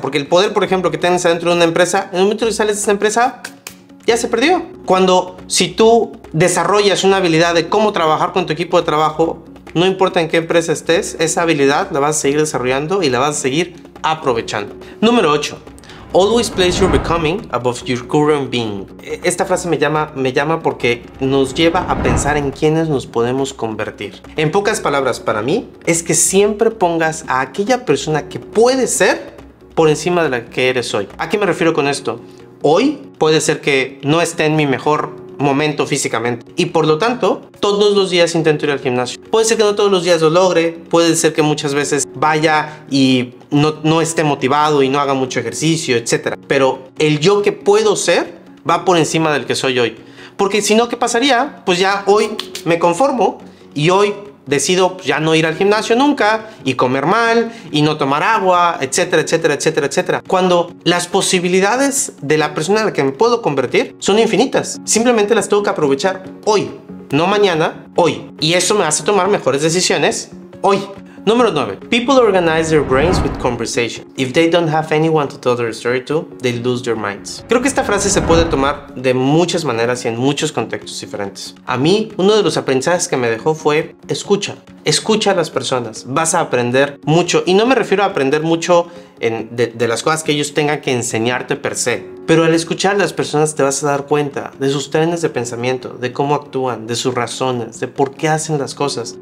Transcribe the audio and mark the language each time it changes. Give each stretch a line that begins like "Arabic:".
Spanish: Porque el poder, por ejemplo, que tienes adentro de una empresa, en el momento que sales de esa empresa, ya se perdió. Cuando si tú desarrollas una habilidad de cómo trabajar con tu equipo de trabajo, no importa en qué empresa estés, esa habilidad la vas a seguir desarrollando y la vas a seguir aprovechando. Número 8.
English: Always place your becoming above your current being.
Spanish: Esta frase me llama porque nos lleva a pensar en quiénes nos podemos convertir. En pocas palabras, para mí, es que siempre pongas a aquella persona que puedes ser por encima de la que eres hoy. ¿A qué me refiero con esto? Hoy puede ser que no esté en mi mejor momento físicamente y por lo tanto todos los días intento ir al gimnasio. Puede ser que no todos los días lo logre, puede ser que muchas veces vaya y no esté motivado y no haga mucho ejercicio, etcétera, pero el yo que puedo ser va por encima del que soy hoy, porque si no, ¿qué pasaría? Pues ya hoy me conformo y hoy decido ya no ir al gimnasio nunca y comer mal y no tomar agua, etcétera, etcétera, etcétera, etcétera. Cuando las posibilidades de la persona a la que me puedo convertir son infinitas. Simplemente las tengo que aprovechar hoy, no mañana, hoy. Y eso me hace tomar mejores decisiones hoy. Número 9.
English: People organize their brains with conversation. If they don't have anyone to tell their story to, they lose their minds.
Spanish: Creo que esta frase se puede tomar de muchas maneras y en muchos contextos diferentes. A mí, uno de los aprendizajes que me dejó fue escucha. Escucha a las personas. Vas a aprender mucho. Y no me refiero a aprender mucho de las cosas que ellos tengan que enseñarte per se. Pero al escuchar a las personas te vas a dar cuenta de sus trenes de pensamiento, de cómo actúan, de sus razones, de por qué hacen las cosas.